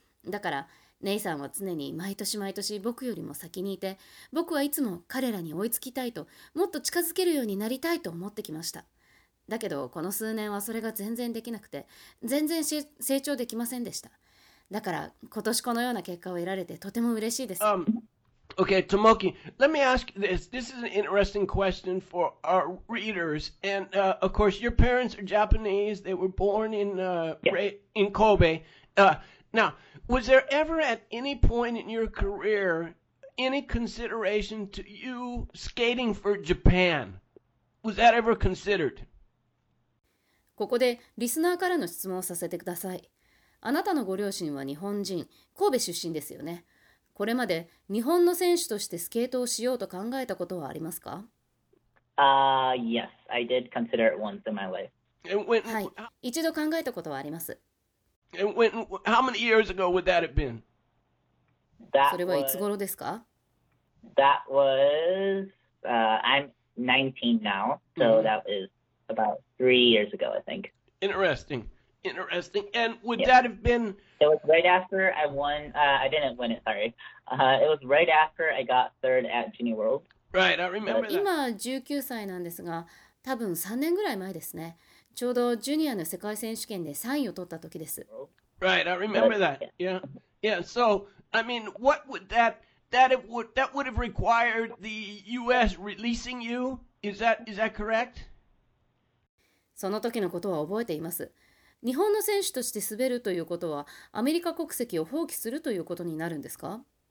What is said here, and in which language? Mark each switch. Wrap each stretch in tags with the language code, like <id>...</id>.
<ja>だから姉さんは常に毎年毎年僕よりも先にいて、僕はいつも彼らに追いつきたいと、もっと近づけるようになりたいと思ってきました。だけどこの数年はそれが全然できなくて、全然成長できませんでした。だから今年このような結果を得られてとても嬉しいです。</ja> <en>Okay, Tomoki, let me ask you this. This is an interesting question for our readers. And, of course, your parents are Japanese. They were born in Kobe. Now, was there ever at any point in your career any consideration to you skating for Japan? Was that ever considered?</en> <ja>ここでリスナーからの質問をさせてください。あなたのご両親は日本人、神戸出身ですよね。これまで日本の選手としてスケートをしようと考えたことはありますか？</ja> <en>Yes, I did consider it once in my life.</en> <ja>はい、一度考えたことはあります。</ja> <en>How many years ago would that have been?</en> <ja>それはいつ頃ですか？</ja> <en>That was, I'm 19 now, so that was about 3 years ago, I think. Interesting. And would that have been... It was right after I won, I didn't win it, sorry. It was right after I got third at Junior World. Right, I remember that.</en> <ja>今19歳なんですが、多分3年ぐらい前ですね。ちょうどジュニアの世界選手権で3位を取った時です。</ja> <en>Right, I remember that. Yeah, so, I mean, what would that would have required the U.S. releasing you? Is that correct?</en> <ja>その時のことは覚えています。日本の選手として滑るということは、アメリカ国籍を放棄するということになるんですか？</ja>